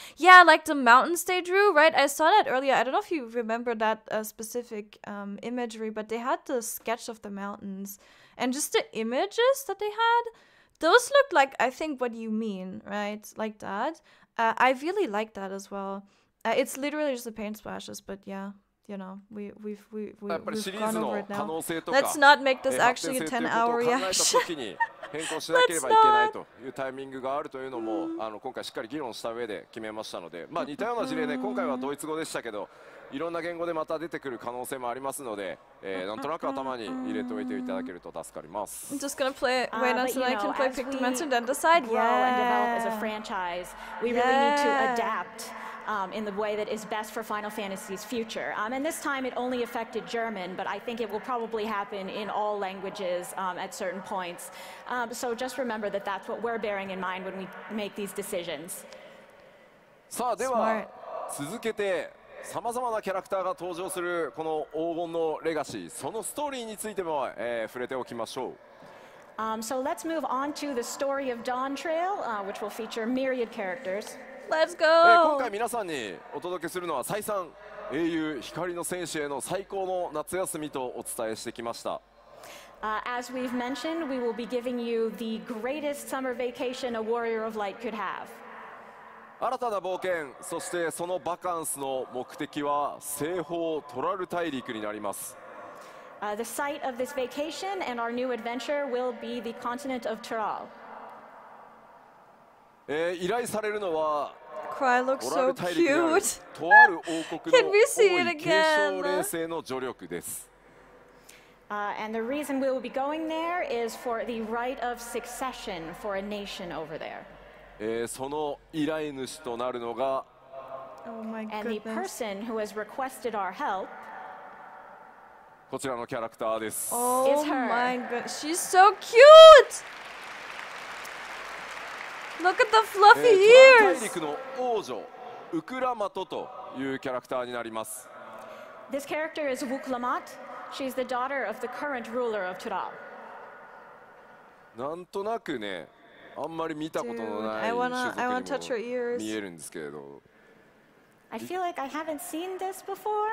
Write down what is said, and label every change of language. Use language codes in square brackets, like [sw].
[en] Yeah, like the mountains they drew, right? I saw that earlier. I don't know if you remember that specific imagery, but they had the sketch of the mountains and just the images that they had. Those looked like, I think, what you mean, right? Like that. I really like that as well. It's literally just the paint splashes, but yeah, you know, we've gone over it now. Let's not make this actually a 10-hour reaction. Let's not. [ja] いけないというタイミングがあるというのも、今回しっかり議論した上で決めましたので、まあ似たような事例で今回はドイツ語でしたけど、いろんな言語でまた出てくる可能性もありますので、なんとなく頭に入れておいていただけると助かります。 [en] I'm just gonna play wait until I can play Pictomancer and then decide. Grow and develop as a franchise. We really need to adapt. In the way that is best for Final Fantasy's future. And this time it only affected German, but I think it will probably happen in all languages at certain points. So just remember that that's what we're bearing in mind when we make these decisions. [ja] さあ、では、続けて、さまざまなキャラクターが登場するこの黄金のレガシー、そのストーリーについても、触れておきましょう。 [en] So let's move on to the story of Dawn Trail, which will feature myriad characters. Let's go. [ja] 今回皆さんにお届けするのは再三英雄光の戦士への最高の夏休みとお伝えしてきました。 [en] As we've mentioned, we will be giving you the greatest summer vacation a warrior of light could have. [ja] 新たな冒険、そしてそのバカンスの目的は西方トラル大陸になります。 [en] The site of this vacation and our new adventure will be the continent of Tural. [ja] 依頼されるのは、 [en] Cry looks so cute. [ja] とある王国の王位継承連星の助力です。 [en] And the reason we will be going there is for the right of succession for a nation over there. [ja] その依頼主となるのが、 [en] oh my goodness. And the person who has requested our help, [ja] こちらのキャラクターです。 [en] Oh my god, she's so cute! Look at the fluffy ears! [ja] 大陸の王女、ウクラマトというキャラクターになります。 [en] This character is Wuklamat. She's the daughter of the current ruler of Tural. [ja] なんとなくね、あんまり見たことのない種族にも [en] I wanna touch her ears. [ja] 見えるんですけれど。 [en] I feel like I haven't seen this before.